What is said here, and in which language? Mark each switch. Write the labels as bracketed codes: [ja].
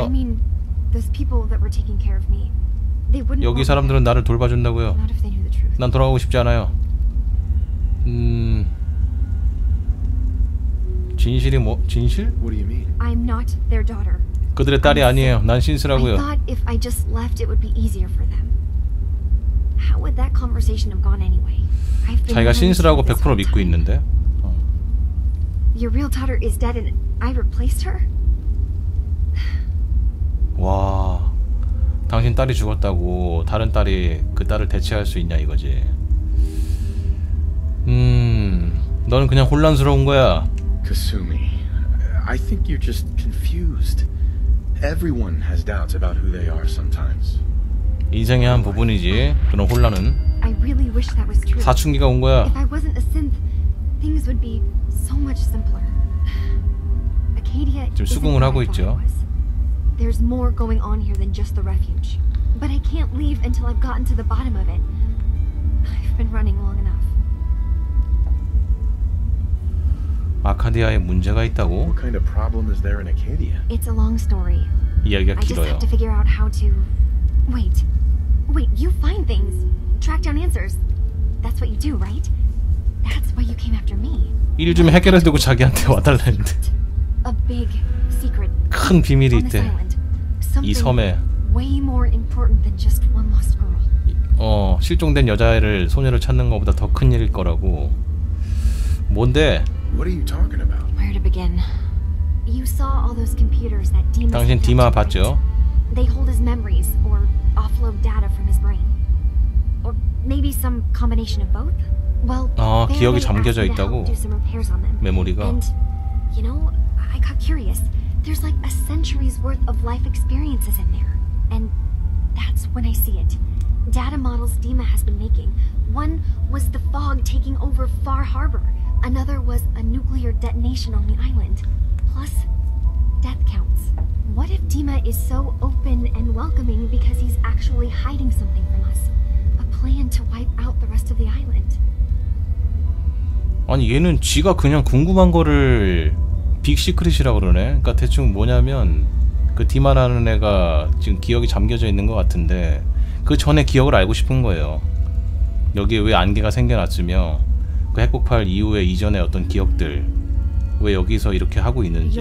[en] I mean, those people that were taking care of me. They wouldn't. [ko] 여기 사람들은 나를 돌봐준다고요. [en] Not if they knew the truth. [ko] 난 돌아가고 싶지 않아요. 진실이 뭐 진실? [en] What do you mean? I'm not their daughter. [ko] 그들의 딸이 아니에요. 난 신스라고요. [en] I thought if I just left, it would be easier for them. How would that conversation have gone anyway? I've been. [ko] 자기가 신스라고 100% 믿고 있는데. [en] Your real daughter is dead, and I replaced her. [ko] 와, 당신 딸이 죽었다고 다른 딸이 그 딸을 대체할 수 있냐 이거지. 너는 그냥 혼란스러운 거야. [en] Kasumi, I think you're just confused. Everyone has doubts about who they are sometimes. [ko] 인생의 한 부분이지. 그런 혼란은. [en] I really wish that was true. [ko] 사춘기가 온 거야. [en] If I wasn't a synth, things would be so much simpler. Acadia. [ko] 지금 수긍을 하고 있죠. [en] There's more going on here than just the refuge. But I can't leave until I've gotten to the bottom of it. I've been running long enough. [ko] 아카디아에 문제가 있다고? [en] What kind of problem is there in Acadia? It's a long story. [ko] 이야기가 길어요. [en] I just have to figure out how to. Wait. Wait, you find things. Track down answers. That's what you do, right? That's why you came after me. [ko] 일 좀 해결해 두고 자기한테 와달라는데. [en] A big secret. [ko] 큰 비밀이 있대. 이 섬에. [en] Way more important than just one lost girl. [ko] 실종된 여자애를 소녀를 찾는 것보다 더 큰 일일 거라고. 뭔데? [en] What are you talking about? Where to begin? You saw all those computers that Dima. [ko] 당신 디마 봤죠? [en] They hold his memories or offload data from his brain. Or maybe some combination of both? Well, [ko] 기억이 잠겨져 있다고. 메모리가. [en] And, you know, I got curious. There's like a century's worth of life experiences in there. And that's when I see it. Data models Dima has been making. One was the fog taking over Far Harbor. Another was a nuclear detonation on the island. Plus, death counts. What if Dima is so open and welcoming because he's actually hiding something from us? A plan to wipe out the rest of the island. [ko] 아니 얘는 지가 그냥 궁금한 거를 빅 시크릿이라고 그러네. 그러니까 대충 뭐냐면 그 디마라는 애가 지금 기억이 잠겨져 있는 것 같은데 그 전에 기억을 알고 싶은 거예요. 여기에 왜 안개가 생겨났으며 그 핵폭발 이후에 이전의 어떤 기억들 왜 여기서 이렇게 하고 있는지.